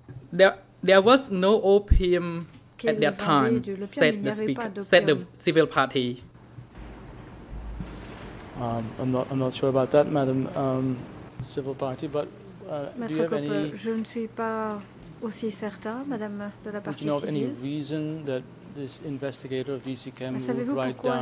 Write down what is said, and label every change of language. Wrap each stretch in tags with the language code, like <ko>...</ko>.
<en>There was no opium at that time, said the speaker, said the civil party. I'm not sure about that, madam, civil party, but do you have any...</en> <fr>Je ne suis pas aussi certain, madame de la partie civile.</fr> <en>Do you know any reason that this investigator of DCCAM would write down</en>